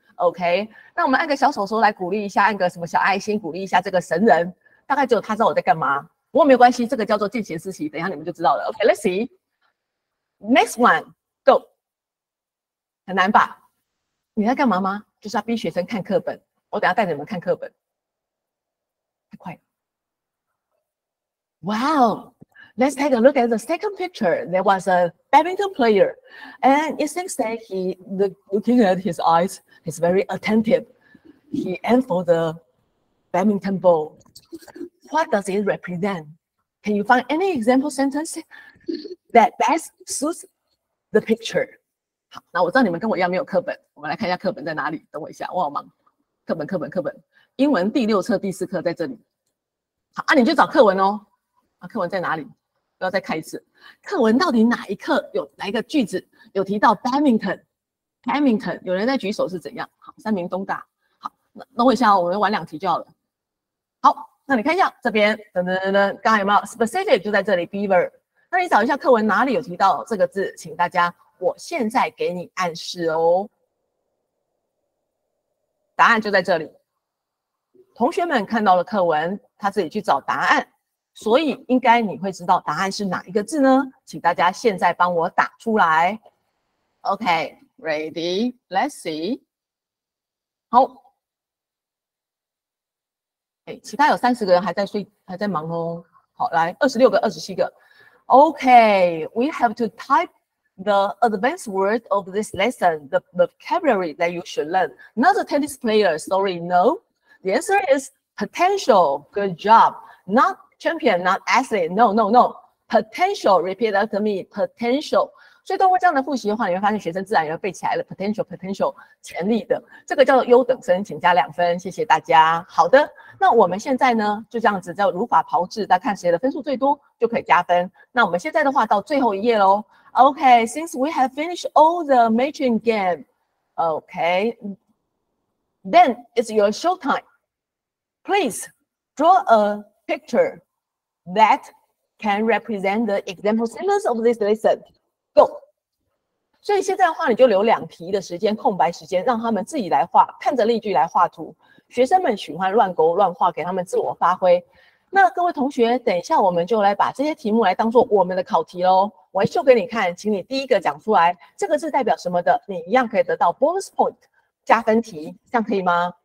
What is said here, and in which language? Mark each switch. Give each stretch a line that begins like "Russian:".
Chinese: OK, 那我们按个小手手来鼓励一下，按个什么小爱心鼓励一下这个神人，大概只有他知道我在干嘛。不过没有关系，这个叫做见贤思齐，等一下你们就知道了。
English: OK, let's see. Next one, go.
Chinese: 很难吧？你在干嘛吗？就是要逼学生看课本。我等一下带着你们看课本。太快了。
English: Wow, let's take a look at the second picture. There was a badminton player, and it seems that looking at his eyes,He's very attentive. He aimed for the badminton ball. What does it represent? Can you find any example sentence that best suits the picture?
Chinese: 好，那我知道你们跟我一样没有课本。我们来看一下课本在哪里。等我一下，我好忙。课本。英文第六册第四课在这里。好，啊，你就找课文哦。啊，课文在哪里？要再看一次。课文到底哪一课有哪一个句子有提到 badminton？ Badminton, 有人在举手是怎样？好，三名东大。好，那我一下，我们玩两题就好了。好，那你看一下这边，噔噔噔噔，刚刚有没有 specific 就在这里 ，beaver。那你找一下课文哪里有提到这个字，请大家，我现在给你暗示哦。答案就在这里。同学们看到了课文，他自己去找答案，所以应该你会知道答案是哪一个字呢？请大家现在帮我打出来。
English: OK。 Ready? Let's see.
Chinese: 好，欸，其他有30个人还在忙哦。好，来26个、27个。
English: Okay, we have to type the advanced word of this lesson, the vocabulary that you should learn. Not a tennis player, sorry, no. The answer is potential. Good job. Not champion, not athlete. No. Potential, repeat after me, potential.
Chinese: 所以通过这样的复习的话，你会发现学生自然也会背起来了。Potential, 潜力的，这个叫做优等生，请加2分，谢谢大家。好的，那我们现在呢，就这样子叫如法炮制，再看谁的分数最多就可以加分。那我们现在的话到最后一页喽。
English: Okay, since we have finished all the matching game, okay, then it's your show time. Please draw a picture that can represent the example sentence of this lesson. Go.
Chinese: 所以现在的话，你就留两题的时间，空白时间，让他们自己来画，看着例句来画图。学生们喜欢乱勾乱画，给他们自我发挥。那各位同学，等一下我们就来把这些题目来当做我们的考题咯。我来秀给你看，请你第一个讲出来，这个字代表什么的，你一样可以得到 bonus point 加分题，这样可以吗？